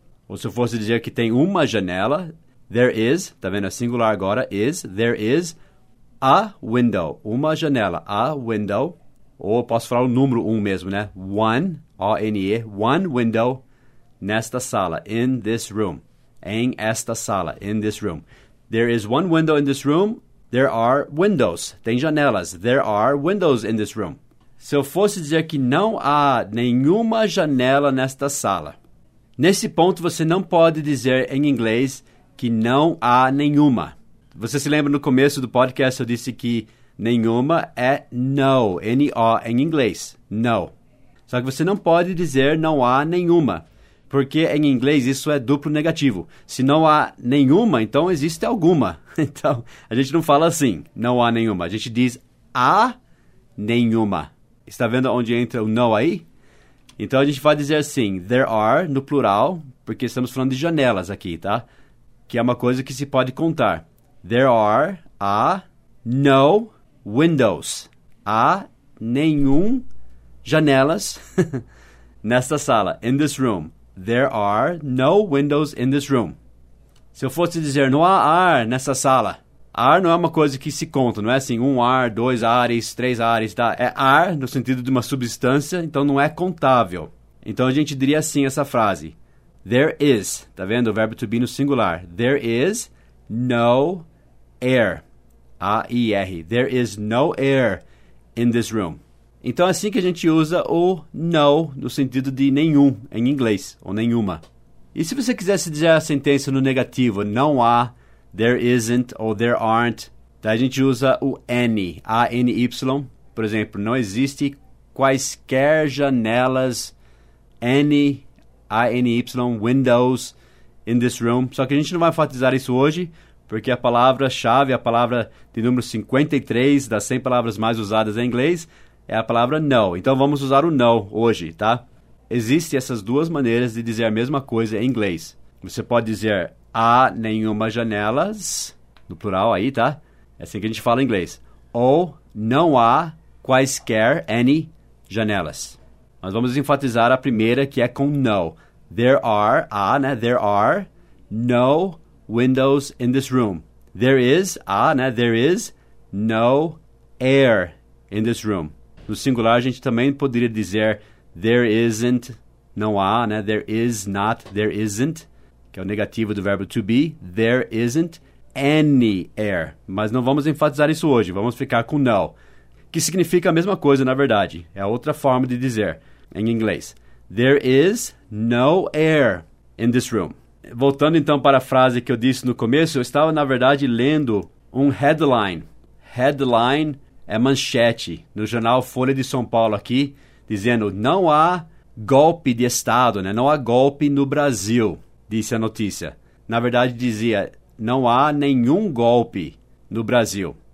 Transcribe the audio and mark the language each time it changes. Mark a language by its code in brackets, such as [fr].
[pt] Ou se eu fosse dizer que tem uma janela, [en] there is, [pt] tá vendo? [en] É singular agora, is. There is a window, [pt] uma janela, [en] a window. [pt] Ou posso falar o número um mesmo, né? [en] One, O-N-E, one window [pt] nesta sala, [en] in this room. [pt] Em esta sala, [en] in this room. There is one window in this room. There are windows. [pt] Tem janelas. [en] There are windows in this room. [pt] Se eu fosse dizer que não há nenhuma janela nesta sala. Nesse ponto, você não pode dizer em inglês que não há nenhuma. Você se lembra no começo do podcast, eu disse que nenhuma é no, N-O, em inglês, no. Só que você não pode dizer não há nenhuma, porque em inglês isso é duplo negativo. Se não há nenhuma, então existe alguma. Então, a gente não fala assim, não há nenhuma. A gente diz há nenhuma. Está vendo onde entra o no aí? Então, a gente vai dizer assim, [en] there are, [pt] no plural, porque estamos falando de janelas aqui, tá? Que é uma coisa que se pode contar. [en] There are, [pt] há, [en] no windows. [pt] Há nenhum janelas nesta sala, [en] in this room. There are no windows in this room. [pt] Se eu fosse dizer, não há ar nessa sala. Ar não é uma coisa que se conta, não é assim, um ar, dois ares, três ares, tá? É ar no sentido de uma substância, então não é contável. Então, a gente diria assim essa frase. [en] There is, [pt] tá vendo? O verbo [en] to be [pt] no singular. [en] There is no air. A-I-R. There is no air in this room. [pt] Então, é assim que a gente usa o no no sentido de nenhum em inglês, ou nenhuma. E se você quisesse dizer a sentença no negativo, não há, [en] there isn't, [pt] ou [en] there aren't, [pt] daí a gente usa o any, A-N-Y. Por exemplo, não existe quaisquer janelas, any, A-N-Y, [en] windows, in this room. [pt] Só que a gente não vai enfatizar isso hoje, porque a palavra-chave, a palavra de número 53 das 100 palavras mais usadas em inglês, é a palavra no. Então, vamos usar o no hoje, tá? Existem essas duas maneiras de dizer a mesma coisa em inglês. Você pode dizer, há nenhuma janelas, no plural aí, tá? É assim que a gente fala em inglês. Ou, não há quaisquer, any, janelas. Mas vamos enfatizar a primeira, que é com no. [en] There are, [pt] há, né? [en] There are no windows in this room. There is, [pt] há, né? [en] There is no air in this room. [pt] No singular, a gente também poderia dizer, [en] there isn't, [pt] não há, né? [en] There is not, there isn't, [pt] que é o negativo do verbo [en] to be. There isn't any air. [pt] Mas não vamos enfatizar isso hoje, vamos ficar com no. Que significa a mesma coisa, na verdade. É outra forma de dizer em inglês. [en] There is no air in this room. [pt] Voltando então para a frase que eu disse no começo, eu estava, na verdade, lendo um headline. Headline é manchete no jornal Folha de São Paulo aqui, dizendo, não há golpe de Estado, né? Não há golpe no Brasil, disse a notícia. Na verdade, dizia, não há nenhum golpe no Brasil.